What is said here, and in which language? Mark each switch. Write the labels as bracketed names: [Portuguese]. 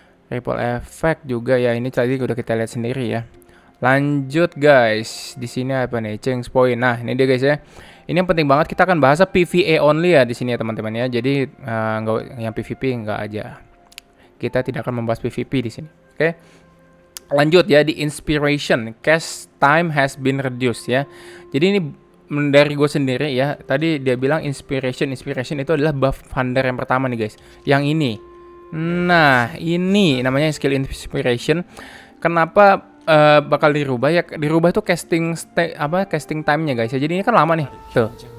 [Indonesian] Ripple effect juga ya, ini tadi udah kita lihat sendiri ya. Lanjut guys, di sini apa nih? Change point. Nah, ini dia guys ya. Ini yang penting banget, kita akan bahas PvE only ya di sini ya teman-teman ya. Jadi yang PvP enggak aja. Kita tidak akan membahas PvP di sini. Oke. Okay? Lanjut ya, di [English] inspiration, cast time has been reduced ya. [Indonesian] Jadi ini dari gue sendiri ya. Tadi dia bilang inspiration itu adalah buff Vander yang pertama nih guys. Yang ini. Nah, ini namanya skill inspiration. Kenapa bakal dirubah ya? Dirubah tuh casting time-nya guys ya. Jadi ini kan lama nih. Tuh.